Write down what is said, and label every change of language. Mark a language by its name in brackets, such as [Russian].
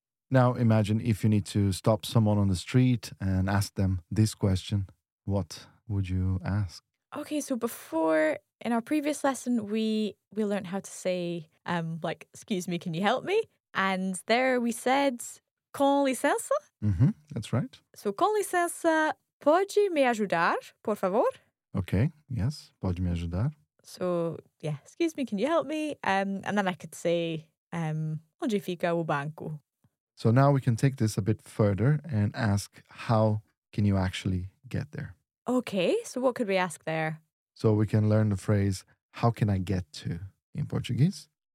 [English] Now, imagine if you need to stop someone on the street and ask them this question, what would you ask? Okay, so before, in our previous lesson, we learned how to say, excuse me, can you help me? And there we said, [Portuguese] com licença? [English] Mm-hmm, that's right. [Portuguese] So, com licença, pode me ajudar, por favor? [English] Okay, yes, [Portuguese] pode me ajudar. [English] So, yeah, excuse me, can you help me? And then I could say, [Portuguese] onde fica o banco? [English] So now we can take this a bit further and ask, how can you actually get there? Okay, so what could we ask there? So we can learn the phrase, how can I get to in Portuguese?